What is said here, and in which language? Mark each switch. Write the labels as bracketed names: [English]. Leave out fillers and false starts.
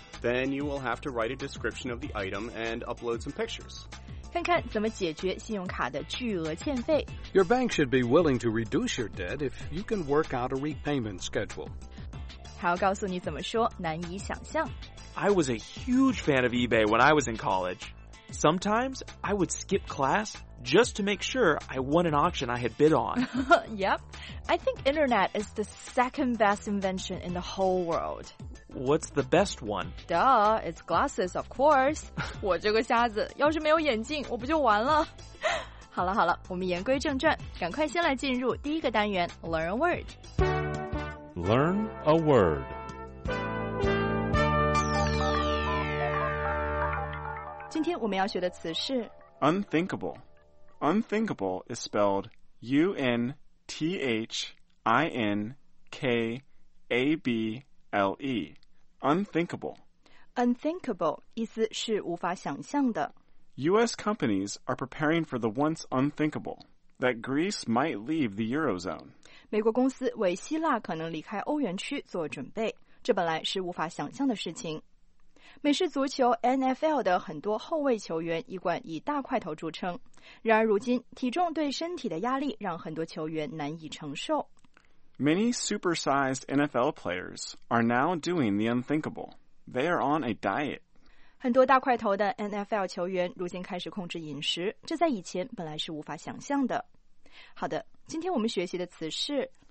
[English] Then you will have to write a description of the item and upload some pictures. [Chinese] 看看怎么解决信用卡的巨额欠费。 [English] Your bank should be willing to reduce your debt if you can work out a repayment schedule. [Chinese] 还要告诉你怎么说，难以想象。 [English] I was a huge fan of eBay when I was in college. Sometimes I would skip class just to make sure I won an auction I had bid on. Yep, I think internet is the second best invention in the whole world. What's the best one? Duh, it's glasses, of course. [Chinese] 我这个瞎子，要是没有眼镜，我不就完了？好了好了，我们言归正传，赶快先来进入第一个单元 ， [English] Learn a word. Learn a word. Today, [Chinese] 我们要学的词是 [English] unthinkable. Unthinkable is spelled UNTHINKABLE. Unthinkable. [Chinese] Unthinkable 意思是无法想象的。 [English] US companies are preparing for the once unthinkable, that Greece might leave the Eurozone. [Chinese] 美国公司为希腊可能离开欧元区做准备，这本来是无法想象的事情。美式足球 NFL 的很多后卫球员一贯以大块头著称，然而如今体重对身体的压力让很多球员难以承受。 [English] Many supersized NFL players are now doing the unthinkable. They are on a diet. [Chinese] 很多大块头的 NFL 球员如今开始控制饮食，这在以前本来是无法想象的。好的，今天我们学习的词是